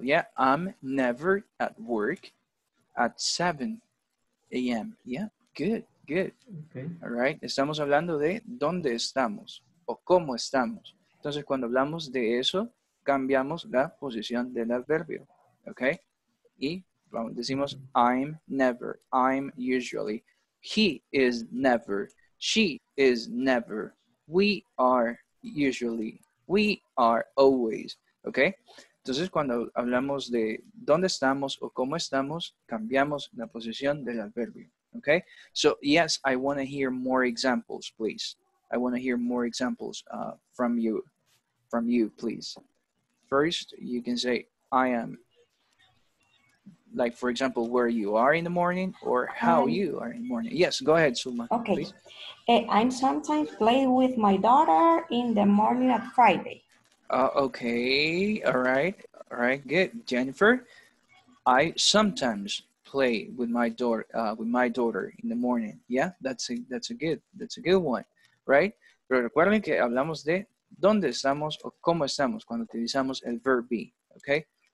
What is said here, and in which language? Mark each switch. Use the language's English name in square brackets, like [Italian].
[English] Yeah, I'm never at work at 7 a.m. Yeah, good. Okay. All right, [Spanish] estamos hablando de dónde estamos o cómo estamos. Entonces, cuando hablamos de eso, cambiamos la posición del adverbio. Okay? Y vamos, decimos, [English] I'm never, I'm usually, he is never, she is never, we are usually, we are always. [Spanish] Okay? Entonces, cuando hablamos de dónde estamos o cómo estamos, cambiamos la posición del adverbio. [English] Okay? So, yes, I want to hear more examples, please. I want to hear more examples from you, please. First, you can say, I am like, for example, where you are in the morning or how you are in the morning. Yes, go ahead, Suma. Okay. I sometimes play with my daughter in the morning at Friday. Okay. All right. All right. Good. Jennifer, I sometimes play with my daughter in the morning. Yeah, that's a good one, right? [Spanish] Pero recuerden que hablamos de dónde estamos o cómo estamos cuando utilizamos el verb be, okay?